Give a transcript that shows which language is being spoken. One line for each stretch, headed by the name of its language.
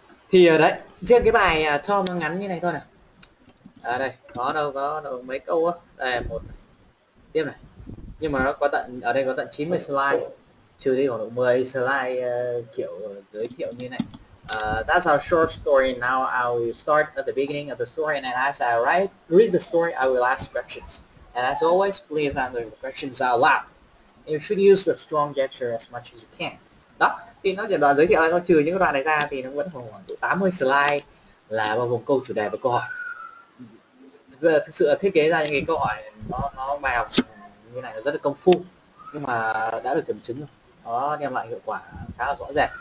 Vietnamese: Thì ở đấy, riêng cái bài Tom nó ngắn như này thôi nè. À đây, có đâu mấy câu á. Đây, một. Tiếp này. Nhưng mà nó có tận, ở đây có tận 90 slide. Trừ đi khoảng độ 10 slide kiểu giới thiệu như này.
English: That's our short story. Now I will start at the beginning of the story. And as I write, read the story, I will ask questions. And as always, please answer the questions out loud. You should use the strong gesture as much as you can.
Vietnamese: Đó, thì nó chỉ đoạn giới thiệu, nó trừ những đoạn này ra thì nó vẫn còn khoảng 80 slide là bao gồm câu chủ đề và câu hỏi. Thực sự thiết kế ra những cái câu hỏi nó bài học như này nó rất là công phu, nhưng mà đã được kiểm chứng rồi, nó đem lại hiệu quả khá là rõ rệt.